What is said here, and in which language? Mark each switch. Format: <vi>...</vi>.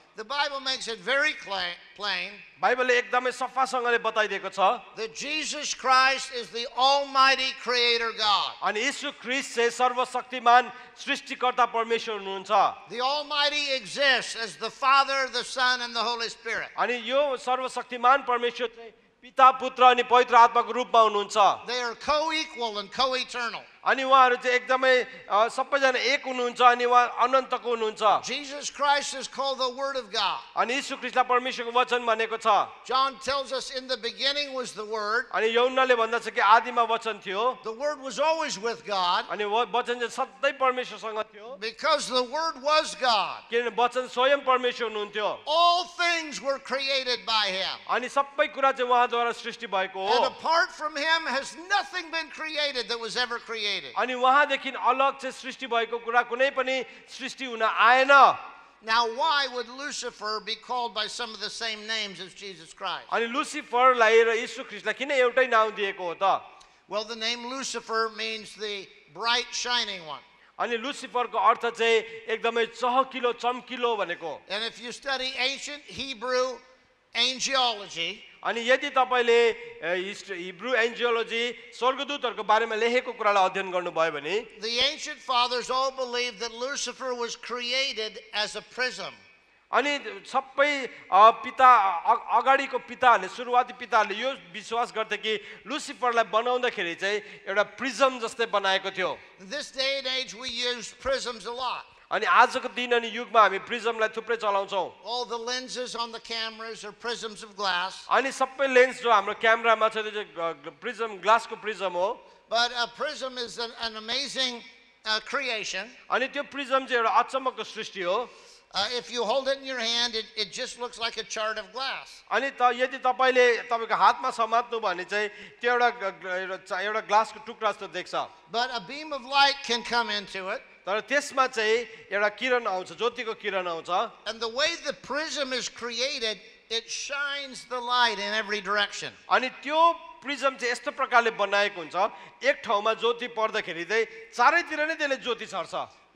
<en>The Bible makes it very plain.</en> <ne>बाइबलले एकदमै सफासँगले बताइदिएको छ.</ne> <en>That Jesus Christ is the Almighty Creator God.</en> <ne>अनि यीशु ख्रीष्ट चाहिँ सर्वशक्तिमान सृष्टिकर्ता परमेश्वर हुनुहुन्छ.</ne> <en>The Almighty exists as the Father, the Son, and the Holy Spirit.</en> <ne>अनि यो सर्वशक्तिमान परमेश्वर चाहिँ पिता पुत्र अनि पवित्र आत्माको रूपमा हुनुहुन्छ.</ne> <en>They are co-equal and co-eternal.</en> <ne>अनि उहाँहरू चाहिँ एकदमै सबैजना एक हुनुहुन्छ अनि उहाँ अनन्तको हुनुहुन्छ.</ne> <en>Jesus Christ is called the word of God.</en> <ne>अनि यीशु ख्रीष्टलाई परमेश्वरको वचन भनेको छ.</ne> <en>John tells us in the beginning was the word.</en> <ne>अनि योहन्नाले भन्दछ कि आदिमा वचन थियो.</ne> <en>The word was always with God.</en> <ne>अनि वचन चाहिँ सधैँ परमेश्वरसँग थियो.</ne> <en>Because the word was God.</en> <ne>किनभने वचन स्वयं परमेश्वर हुनुहुन्थ्यो.</ne> <en>All things were created by him.</en> <ne>अनि सबै कुरा चाहिँ उहाँद्वारा सृष्टि भएको हो.</ne> <en>And apart from him has nothing been created that was ever created.</en> <ne>अनि उहाँदेखि अलग चाहिँ सृष्टि भएको कुरा कुनै पनि सृष्टि हुन आएन.</ne> <en>Now why would Lucifer be called by some of the same names as Jesus Christ?</en> <ne>अनि लुसिफरलाई र यीशु ख्रीष्टलाई किन एउटै नाउँ दिएको हो त?</ne> <en>Well, the name Lucifer means the bright shining one.</en> <ne>अनि लुसिफरको अर्थ चाहिँ एकदमै चहकिलो चम्किलो भनेको.</ne> <en>And if you study ancient Hebrew angelology,</en> <ne>अनि यदि तपाईँले हिब्रू एन्जियोलोजी स्वर्गदूतहरूको बारेमा लेखेको कुरालाई अध्ययन गर्नुभयो भने</ne> <en>the ancient fathers all believed that Lucifer was created as a prism.</en> <ne>अनि सबै पिता अगाडिको पिताहरूले सुरुवाती पिताहरूले यो विश्वास गर्थे कि लुसिफरलाई बनाउँदाखेरि चाहिँ एउटा प्रिजम जस्तै बनाएको थियो.</ne> <en>This day and age we use prisms a lot.</en> <ne>अनि आजको दिन अनि युगमा हामी प्रिज्मलाई थुप्रै चलाउँछौँ.</ne> <en>All the lenses on the cameras are prisms of glass.</en> <ne>अनि सबै लेन्स जो हाम्रो क्यामेरामा छ त्यो प्रिज्म ग्लासको प्रिज्म हो.</ne> <en>But a prism is an amazing creation.</en> <ne>अनि त्यो प्रिज्म चाहिँ एउटा अचम्मको सृष्टि हो.</ne> <en>If you hold it in your hand, it just looks like a chart of glass.</en> <ne>अनि त यदि तपाईले तपाईको हातमा समात्नु भने चाहिँ त्यो एउटा ग्लासको टुक्रा जस्तो देख्छ.</ne> <en>But a beam of light can come into it.</en> <ne>तर त्यसमा चाहिँ एउटा किरण आउँछ ज्योतिको किरण आउँछ.</ne> <en>And the way the prism is created, it shines the light in every direction.</en> <ne>अनि त्यो प्रिज्म चाहिँ यस्तो प्रकारले बनाएको हुन्छ एक ठाउँमा ज्योति पर्दाखेरि चाहिँ चारैतिर नै त्यसले ज्योति छर्छ.</ne>